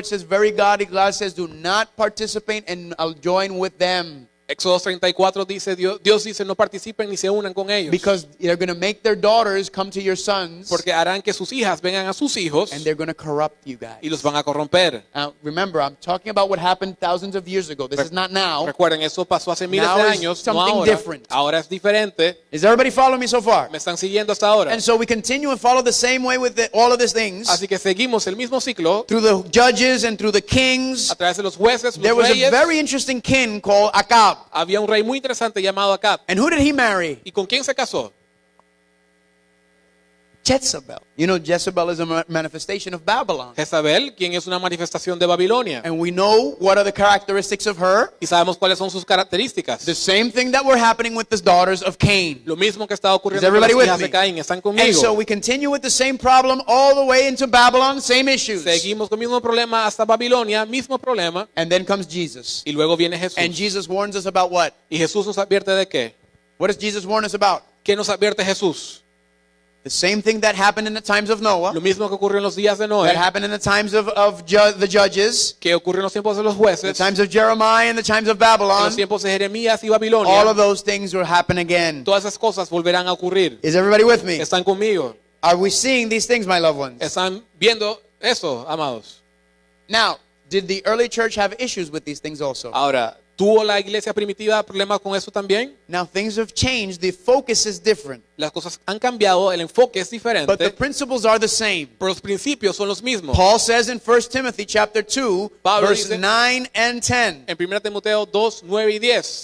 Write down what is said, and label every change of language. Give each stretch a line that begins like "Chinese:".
English: It says, very godly God says, do not participate and I'll join with them.
Spanish: Éxodo 34 dice, Dios dice, no participen ni se unan con ellos.
English: Because they're going to make their daughters come to your sons.
Spanish: Porque harán que sus hijas vengan a sus hijos.
English: And they're going to corrupt you guys.
Spanish: Y los van a corromper.
English: Remember, I'm talking about what happened thousands of years ago. This is not now.
Spanish: Recuerden, eso pasó hace miles
English: now
Spanish: de años,
English: something
Spanish: no ahora.
English: Different.
Spanish: Ahora es diferente.
English: Is everybody following me so far?
Spanish: ¿Me están siguiendo hasta ahora?
English: And so we continue and follow the same way with all of these things.
Spanish: Así que seguimos el mismo ciclo.
English: Through the judges and through the kings.
Spanish: A través de los jueces,
English: there
Spanish: los reyes.
English: There was a very interesting king called Acab.
Spanish: Había un rey muy interesante llamado Acab.
English: And who did he marry?
Spanish: ¿Y con quién se casó?
English: Jezebel. You know, Jezebel is a manifestation of Babylon.
Spanish: Jezebel, quien es una manifestación de Babilonia.
English: And we know what are the characteristics of her.
Spanish: Y sabemos cuáles son sus características.
English: The same thing that were happening with the daughters of Cain.
Spanish: Lo mismo que estaba ocurriendo con las hijas de Caín. ¿Están conmigo?
English: And so we continue with the same problem all the way into Babylon, same issues.
Spanish: Seguimos con el mismo problema hasta Babilonia, mismo problema.
English: And then comes Jesus.
Spanish: Y luego viene Jesús.
English: And Jesus warns us about what?
Spanish: ¿Y Jesús nos advierte de qué?
English: What does Jesus warn us about?
Spanish: ¿Qué nos advierte Jesús?
English: The same thing that happened in the times of Noah.
Spanish: Lo mismo que ocurrió en los días de Noé.
English: That happened in the times of the judges.
Spanish: Que ocurrió en los tiempos de los jueces.
English: The times of Jeremiah and the times of Babylon.
Spanish: En los tiempos de Jeremías y Babilonia.
English: All of those things will happen again.
Spanish: Todas esas cosas volverán a ocurrir.
English: Is everybody with me?
Spanish: ¿Están conmigo?
English: Are we seeing these things, my loved ones?
Spanish: ¿Están viendo eso, amados?
English: Now, did the early church have issues with these things also?
Spanish: Ahora, ¿tuvo la iglesia primitiva problemas con eso también?
English: Now things have changed. The focus is different.
Spanish: Las cosas han cambiado, el enfoque es diferente.
English: But the principles are the same.
Spanish: Pero los principios son los mismos.
English: Paul says in 1 Timothy chapter 2,
Spanish: Pablo
English: verse
Spanish: dice,
English: 9 and 10.
Spanish: En 1 Timoteo 2, 9 y 10.